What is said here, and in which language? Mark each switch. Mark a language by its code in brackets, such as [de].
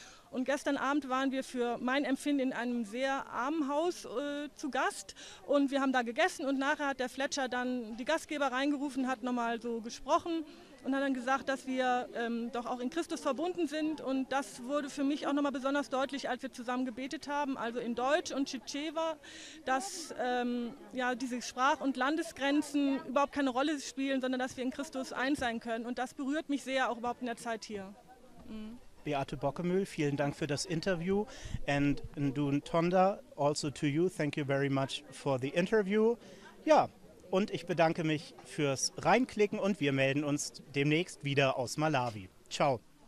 [de] Und gestern Abend waren wir für mein Empfinden in einem sehr armen Haus zu Gast und wir haben da gegessen und nachher hat der Fletcher dann die Gastgeber reingerufen, hat nochmal so gesprochen und hat dann gesagt, dass wir doch auch in Christus verbunden sind und das wurde für mich auch nochmal besonders deutlich, als wir zusammen gebetet haben, also in Deutsch und Tschetschewa, dass ja, diese Sprach- und Landesgrenzen überhaupt keine Rolle spielen, sondern dass wir in Christus eins sein können und das berührt mich sehr auch überhaupt in der Zeit hier. Mhm. Beate Bockemühl, vielen Dank für das Interview. [en] And Ndun Tonda, also to you, thank you very much for the interview. [de] Ja, und ich bedanke mich fürs Reinklicken und wir melden uns demnächst wieder aus Malawi. Ciao.